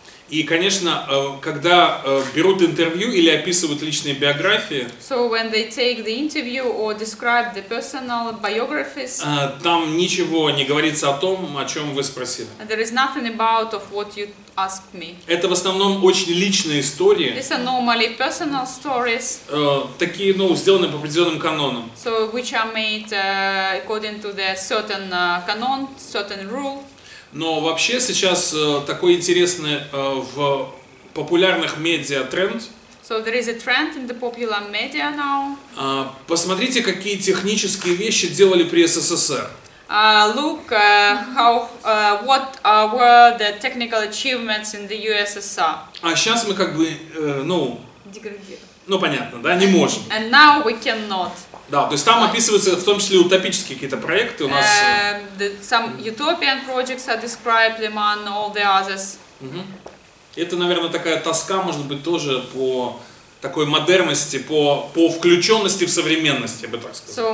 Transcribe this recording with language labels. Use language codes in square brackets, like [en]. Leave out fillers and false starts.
[ru] И, конечно, когда берут интервью или описывают личные биографии, [en] so when they take the interview or describe the personal biographies, [ru] там ничего не говорится о том, о чем вы спросили. [en] There is nothing about of what you asked me. [ru] Это в основном очень личные истории. [en] These are normally personal stories. [ru] Такие, ну, сделаны по определенным канонам. [en] So which are made according to the certain canon, certain rule. [ru] Но вообще сейчас такой интересный в популярных медиа тренд. [en] So there is a trend in the popular media now. [ru] Посмотрите, какие технические вещи делали при СССР. [en] Look how what were the technical achievements in the USSR. [ru] А сейчас мы как бы, ну, деградируем. Ну, понятно, да, не можем. [en] And now we cannot. [ru] Да, то есть там описываются в том числе утопические какие-то проекты у нас. [en] Some utopian projects are described among all the others. [ru] Это, наверное, такая тоска, может быть, тоже по такой модерности, по включенности в современность, я бы так сказал.